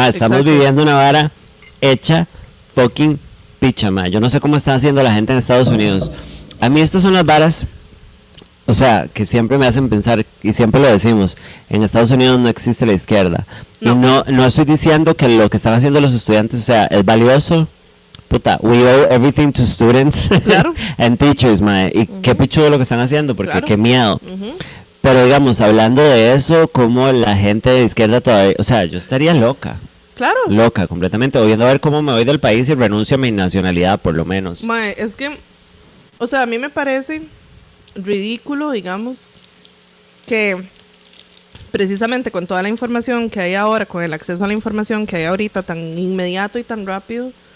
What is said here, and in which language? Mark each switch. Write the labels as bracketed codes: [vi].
[es] estamos viviendo una vara hecha fucking picha, mae. Yo no sé cómo está haciendo la gente en Estados Unidos. A mí estas son las varas O sea, que siempre me hacen pensar, y siempre lo decimos, en Estados Unidos no existe la izquierda. No. Y no estoy diciendo que lo que están haciendo los estudiantes, o sea, es valioso. Puta, [en] we owe everything to students, [es] claro, [en] and teachers, [es] mae. Y uh-huh, qué pichudo lo que están haciendo, porque claro, qué miedo. Uh-huh. Pero digamos, hablando de eso, cómo la gente de izquierda todavía, o sea, yo estaría loca. Claro. Loca, completamente. Voy a ver cómo me voy del país y renuncio a mi nacionalidad, por lo menos. Mae, es que, o sea, a mí me parece ridículo, digamos, que precisamente con toda la información que hay ahora, con el acceso a la información que hay ahorita tan inmediato y tan rápido,